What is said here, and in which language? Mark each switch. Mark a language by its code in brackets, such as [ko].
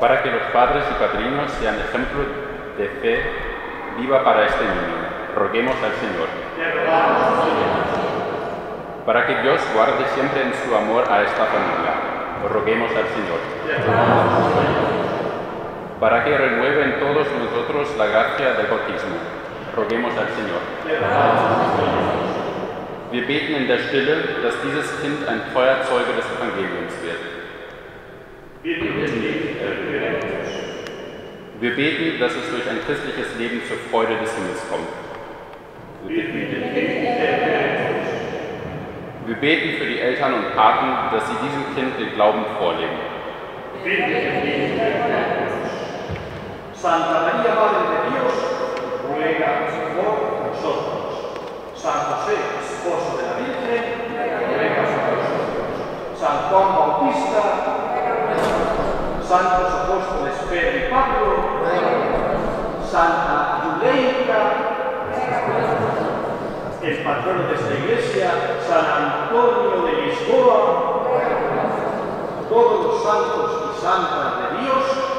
[es] Para que los padres y padrinos sean ejemplo de fe viva para este niño, roguemos al Señor. Para que Dios guarde siempre en su amor a esta familia, roguemos al Señor. Para que renueve en todos nosotros la gracia del bautismo, roguemos al Señor. [de] Wir beten in der Stille, dass dieses Kind ein Feuerzeuge des Evangeliums wird. Wir beten, dass es durch ein christliches Leben zur Freude des Himmels kommt. Wir beten für die Eltern und Paten, dass sie diesem Kind den Glauben vorleben. [es] Santa Maria, Madre de Dios, ruega por nosotros. San José, Esposo de la Virgen, ruega por nosotros. San Juan Bautista, Santos Apóstoles Pedro y Pablo, Santa Juleita, el patrono de esta iglesia, San Antonio de Lisboa, todos los santos y santas de Dios,